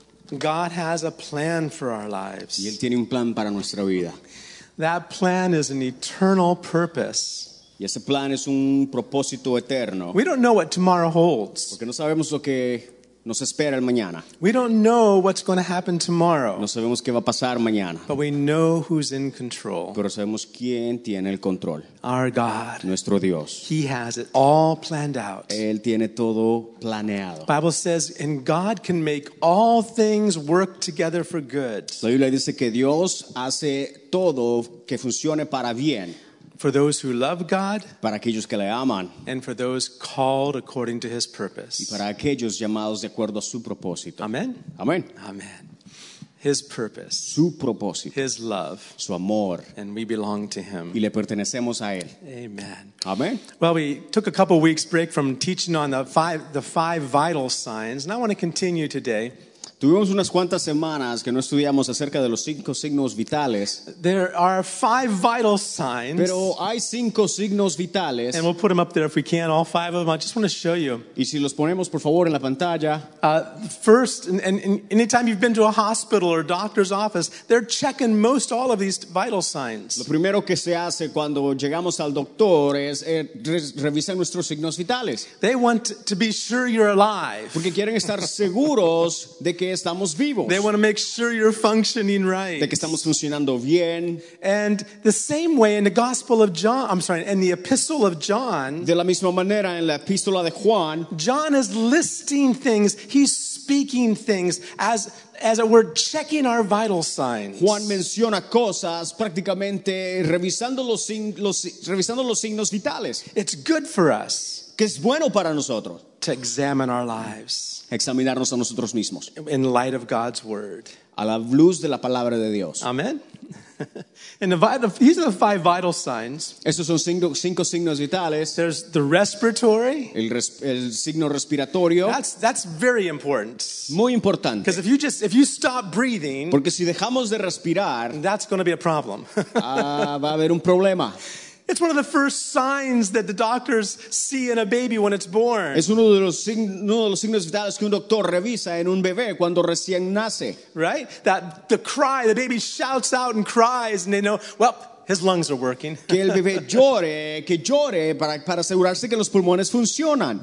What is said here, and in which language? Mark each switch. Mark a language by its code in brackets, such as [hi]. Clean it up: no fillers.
[en] God has a plan for our lives. [es] Y él tiene un plan para nuestra vida. [en] That plan is an eternal purpose. [es] Y ese plan es un propósito eterno. [en] We don't know what tomorrow holds. [es] Porque no sabemos lo que nos espera el mañana. [en] We don't know what's going to happen tomorrow. [es] No sabemos qué va a pasar mañana. [en] But we know who's in control. [es] Pero sabemos quién tiene el control. [en] Our God. [es] Nuestro Dios. [en] He has it all planned out. [es] Él tiene todo planeado. [en] Bible says, and God can make all things work together for good. [es] La Biblia dice que Dios hace todo que funcione para bien. [en] For those who love God, [es] para aquellos que le aman, [en] and for those called according to His purpose, [es] y para aquellos llamados de acuerdo a su propósito. [en] Amen. [es] Amen. [en] Amen. His purpose. [es] Su propósito. [en] His love. [es] Su amor. [en] And we belong to Him. [es] Y le pertenecemos a él. [en] Amen. [es] Amen. [en] Well, we took a couple weeks break from teaching on the five vital signs, and I want to continue today. [es] Tuvimos unas cuantas semanas que no estudiamos acerca de los cinco signos vitales. [en] There are five vital signs. [es] Pero hay cinco signos vitales. [en] And we'll put them up there if we can, all five of them. I just want to show you. [es] Y si los ponemos, por favor, en la pantalla. [en] First, and anytime you've been to a hospital or a doctor's office, they're checking most all of these vital signs. [es] Lo primero que se hace cuando llegamos al doctor es revisar nuestros signos vitales. [en] They want to be sure you're alive. [es] Porque quieren estar seguros de que estamos vivos. [en] They want to make sure you're functioning right. [es] De que estamos funcionando bien. [en] And the same way in the Gospel of John, I'm sorry, in the Epistle of John, [es] de la misma manera en la Epístola de Juan, [en] John is listing things, he's speaking things as it were, checking our vital signs. [es] Juan menciona cosas prácticamente revisando los signos vitales. [en] It's good for us. [es] Que es bueno para nosotros. [en] To examine our lives. [es] Examinarnos a nosotros mismos. [en] In light of God's word. [es] A la luz de la palabra de Dios. [en] Amen. And these are the five vital signs. [es] Estos son cinco signos vitales. [en] There's the respiratory. [es] El signo respiratorio. [en] That's very important. [es] Muy importante. [en] Because if you stop breathing. [es] Porque si dejamos de respirar. [en] That's going to be a problem. [es] va a haber un problema. [en] It's one of the first signs that the doctors see in a baby when it's born. [es] Es uno de los signos vitales que un doctor revisa en un bebé cuando recién nace. [en] Right? That the cry, the baby shouts out and cries, and they know, well, his lungs are working. [es] Que el bebé llore, que llore para asegurarse que los pulmones funcionan.